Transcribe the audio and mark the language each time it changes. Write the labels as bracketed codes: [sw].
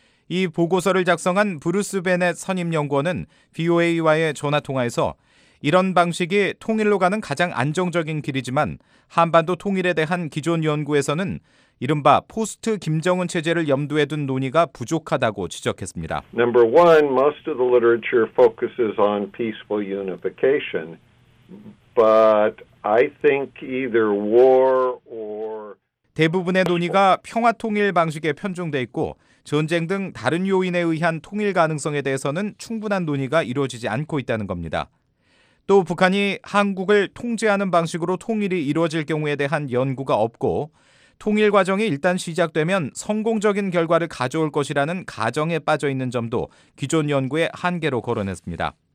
[ko] 이 보고서를 작성한 브루스 베넷 선임 연구원은 VOA와의 전화통화에서 이런 방식이 통일로 가는 가장 안정적인 길이지만 한반도 통일에 대한 기존 연구에서는 이른바 포스트 김정은 체제를 염두에 둔 논의가 부족하다고 지적했습니다. [en] Number one, most of the literature focuses on peaceful unification, but I think either war or [ko] 대부분의 논의가 평화 통일 방식에 편중돼 있고 전쟁 등 다른 요인에 의한 통일 가능성에 대해서는 충분한 논의가 이루어지지 않고 있다는 겁니다. 또 북한이 한국을 통제하는 방식으로 통일이 이루어질 경우에 대한 연구가 없고 통일 과정이 일단 시작되면 성공적인 결과를 가져올 것이라는 가정에 빠져 있는 점도 기존 연구의 한계로 거론했습니다.